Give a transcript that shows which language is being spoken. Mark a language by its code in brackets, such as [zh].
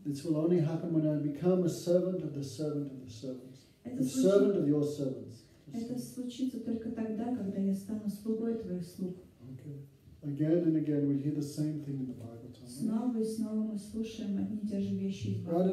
[en] This will only happen when I become a servant of the servant of the servants. Servant of your servants. [ru] Это случится только тогда, когда я стану слугой твоих слуг. [en] Okay. Again and again we hear the same thing in the Bible. [ru] Снова и снова мы слушаем одни и те же вещи.